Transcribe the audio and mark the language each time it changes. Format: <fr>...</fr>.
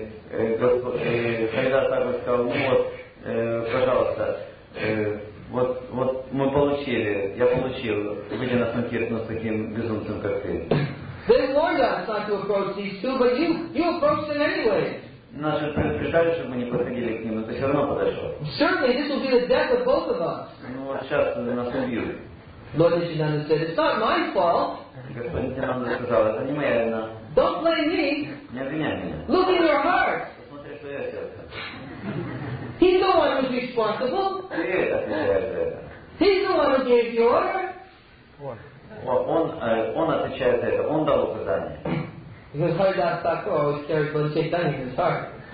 <ru>Харидас Thakur сказал, ну вот, пожалуйста, вот мы получили, я получил, выйдя на Санкиртан с таким безумцем, как ты.</ru> <en>They warned us not to approach these two, but you approached them anyway.</en> <ru>Нас же предупреждали, чтобы мы не подходили к ним, но ты все равно подошел.</ru> <en>Certainly, this will be the death of both of us.</en> <ru>Ну вот сейчас нас убьют.</ru> <en>Lord Nityananda said, it's not my fault.</en> <ru>Господь Нитинанда сказал, это не моя вина.</ru> <en>Don't blame me.</en> <ru>Не обвиняй меня.</ru> <en>Look in your heart.</en> <ru>Посмотри, что я сделал.</ru> <en>He's the one who's responsible.</en> <ru>Ты это отвечаешь за это.</ru> <en>He's the one who gave the order.</en> <ru>Он отвечает за это, он дал указание.</ru> <en>Because Haridas Thakur always carried Lord Chaitanya in his heart.</en>